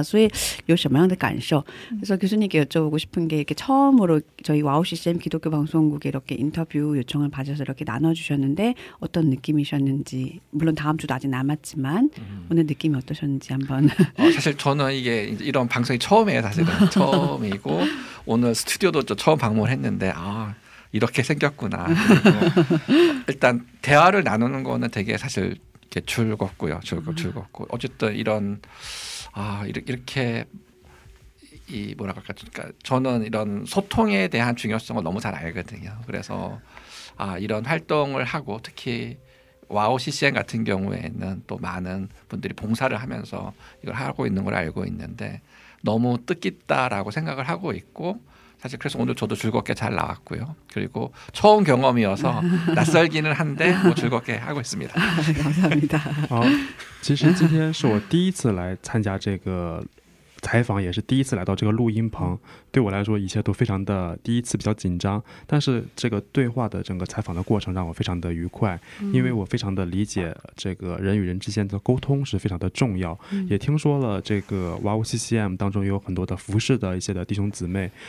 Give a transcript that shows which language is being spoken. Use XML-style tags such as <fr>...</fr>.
<zh>不得不要一起走是吧，对，要顺应这个时代的发展，对，要顺应，要接受，没办法。所以最后想问教授，今天第一次接受中文基督教哇学生中文广播电台的采访嘛，下周还有，可是今天是第一次嘛，所以有什么样的感受？所以</zh> <ko>교수님께 여쭤보고 싶은 게 이렇게 처음으로 저희 와우 CCM 기독교 방송국에 이렇게 인터뷰 요청을 받아서 이렇게 나눠주셨는데 어떤 느낌이셨는지, 물론 다음 주도 아직 남았지만 오늘 느낌이 어떠셨는지 한번. 사실 저는 이게 이런 방송이 처음이에요. 사실은 처음이고 오늘 스튜디오도 처음 방문했는데 아 이렇게 생겼구나. 일단 대화를 나누는 거는 되게 사실 이렇게 즐겁고요. 즐겁고 어쨌든 이런 아 이렇게 이 뭐라 할까, 그러니까 저는 이런 소통에 대한 중요성을 너무 잘 알거든요. 그래서 아 이런 활동을 하고 특히 와우 CCM 같은 경우에는 또 많은 분들이 봉사를 하면서 이걸 하고 있는 걸 알고 있는데 너무 뜻깊다라고 생각을 하고 있고, 사실 그래서 오늘 저도 즐겁게 잘 나왔고요. 그리고 처음 경험이어서 낯설기는 한데 뭐 즐겁게 하고 있습니다. 감사합니다.</ko> <zh>其实今天是我第一次来参加这个 采访也是第一次来到这个录音棚，对我来说一切都非常的第一次比较紧张，但是这个对话的整个采访的过程让我非常的愉快，因为我非常的理解这个人与人之间的沟通是非常的重要，也听说了这个 WOW CCM 当中有很多的服饰的一些的弟兄姊妹，</zh>